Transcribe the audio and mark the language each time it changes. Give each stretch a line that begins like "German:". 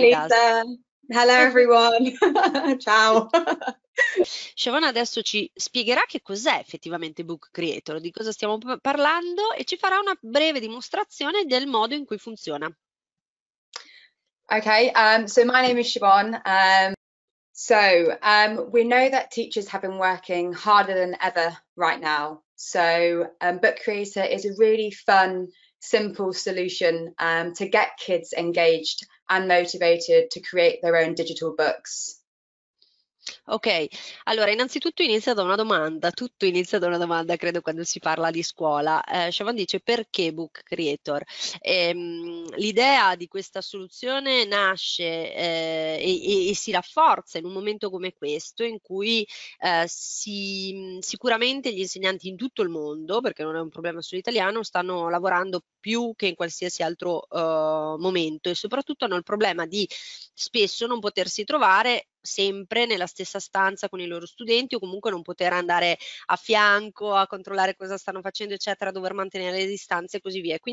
English: being with us. Lisa. Hello, everyone. Ciao.
Italian: Siobhan adesso ci spiegherà che cos'è effettivamente Book Creator, di cosa stiamo parlando e ci farà una breve dimostrazione del modo in cui funziona.
English: Okay, so my name is Siobhan. So we know that teachers have been working harder than ever right now. So Book Creator is a really fun, simple solution to get kids engaged and motivated to create their own digital books.
Italian: Ok, allora innanzitutto inizia da una domanda, tutto inizia da una domanda, credo, quando si parla di scuola. Siobhan dice perché Book Creator? L'idea di questa soluzione nasce e si rafforza in un momento come questo, in cui sicuramente gli insegnanti in tutto il mondo, perché non è un problema solo italiano, stanno lavorando più che in qualsiasi altro momento e soprattutto hanno il problema di spesso non potersi trovare sempre nella stessa stanza con i loro studenti o comunque non poter andare a fianco a controllare cosa stanno facendo, eccetera, dover mantenere le distanze e così via.